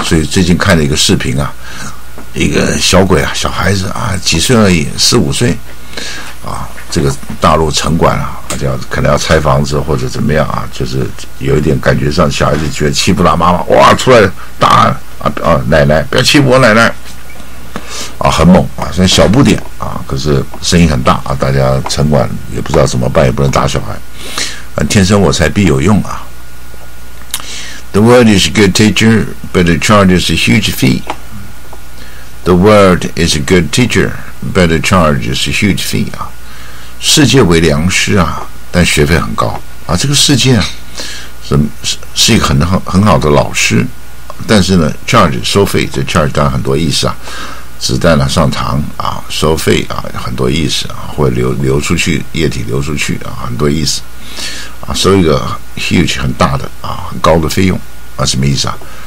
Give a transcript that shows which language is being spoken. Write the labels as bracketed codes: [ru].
[zh] 所以最近看了一个视频啊，一个小鬼啊，小孩子啊，几岁而已，15岁啊，这个大陆城管啊，要可能要拆房子或者怎么样啊，就是有一点感觉上小孩子觉得欺负他妈妈，哇，出来大喊啊，啊，奶奶不要欺负我奶奶啊，很猛啊，虽然小不点啊，可是声音很大啊，大家城管也不知道怎么办，也不能打小孩，啊，天生我材必有用啊。 [en] The world is a good teacher, but the charge is a huge fee. The world is a good teacher, but the charge is a huge fee. [zh] 啊，世界为良师啊，但学费很高啊。这个世界啊，是一个很好的老师，但是呢 charge 收费，这 charge 当然很多意思啊，子弹呢，啊，上膛啊，收费啊，很多意思啊，会流出去，液体流出去啊，很多意思啊，收一个 huge 很大的啊，很高的费用啊，什么意思啊？